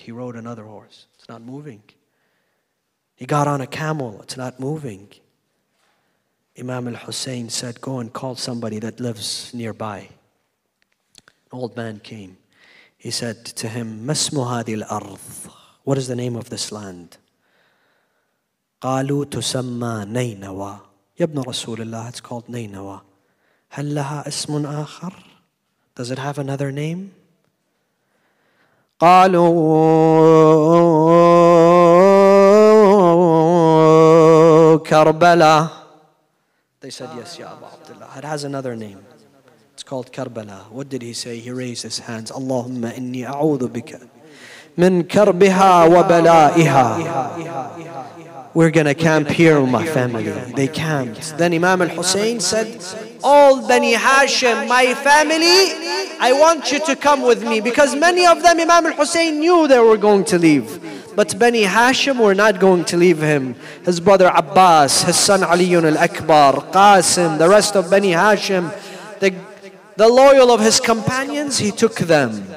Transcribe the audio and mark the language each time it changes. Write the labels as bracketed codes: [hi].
[en] He rode another horse. It's not moving. He got on a camel. It's not moving. Imam al-Hussein said, go and call somebody that lives nearby. An old man came. He said to him, [ar] ما اسم هذه الأرض? [en] What is the name of this land? [ar] قالوا تسمى نينوى. يا ابن رسول الله, [en] it's called Nainawa. [ar] هل لها اسم آخر? [en] Does it have another name? [ar] قالوا كربلا. [en] They said yes, [ar] يا أبا عبد الله. [en] It has another name. It's called Karbala. What did he say? He raised his hands. [ar] اللهم إني أعوذ بك من كربها وبلائها. [en] We're going to camp here with my family. They camped. Then Imam al-Hussein said, all Bani Hashim, my family, I want you to come with me. Because many of them, Imam al-Hussein knew they were going to leave. But Bani Hashim were not going to leave him. His brother Abbas, his son Aliyun al-Akbar, Qasim, the rest of Bani Hashim, the loyal of his companions, he took them.